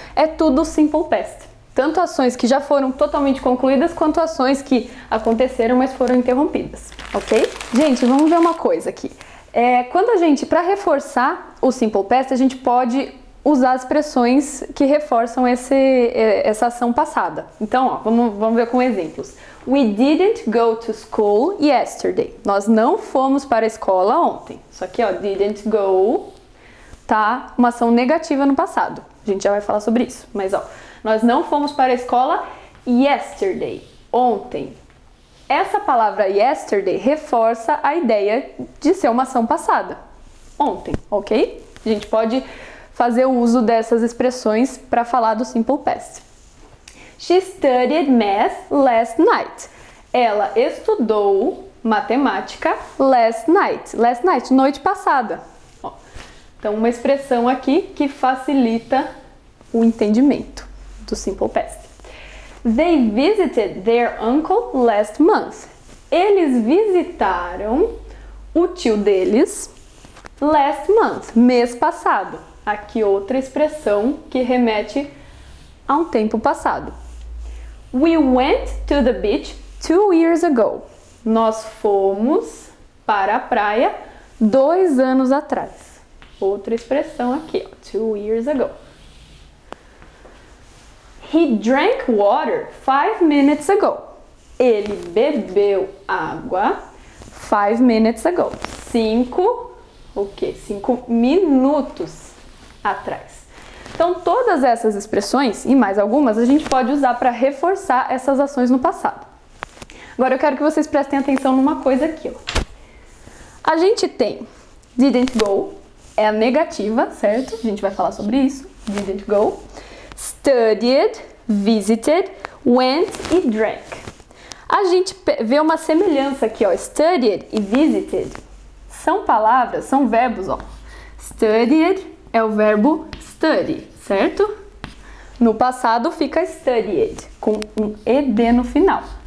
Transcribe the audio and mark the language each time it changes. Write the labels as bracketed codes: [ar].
[pt] É tudo simple past. Tanto ações que já foram totalmente concluídas, quanto ações que aconteceram, mas foram interrompidas, ok? Gente, vamos ver uma coisa aqui. Quando a gente, para reforçar o Simple Past, a gente pode usar expressões que reforçam essa ação passada. Então, ó, vamos ver com exemplos. [en] We didn't go to school yesterday. [pt] Nós não fomos para a escola ontem. Isso aqui, ó, [en] didn't go, [pt] tá? Uma ação negativa no passado. A gente já vai falar sobre isso, mas ó, nós não fomos para a escola yesterday, ontem. Essa palavra yesterday reforça a ideia de ser uma ação passada, ontem, ok? A gente pode fazer o uso dessas expressões para falar do Simple Past. [en] She studied math last night. [pt] Ela estudou matemática [en] last night. [pt] Last night, noite passada. Ó, então, uma expressão aqui que facilita o entendimento do Simple Past. [en] They visited their uncle last month. [pt] Eles visitaram o tio deles [en] last month, [pt] mês passado. Aqui outra expressão que remete a um tempo passado. [en] We went to the beach 2 years ago. [pt] Nós fomos para a praia 2 anos atrás. outra expressão aqui, ó. [en] 2 years ago. He drank water 5 minutes ago. [pt] Ele bebeu água [en] 5 minutes ago. [pt] 5 minutos atrás. Então, todas essas expressões, e mais algumas, a gente pode usar para reforçar essas ações no passado. Agora, eu quero que vocês prestem atenção numa coisa aqui, ó. A gente tem [en] didn't go, [pt] é a negativa, certo? A gente vai falar sobre isso, [en] didn't go. [pt] Studied, visited, went e drank. A gente vê uma semelhança aqui, ó. Studied e visited são palavras, são verbos, ó. Studied é o verbo study, certo? No passado fica studied, com um ed no final.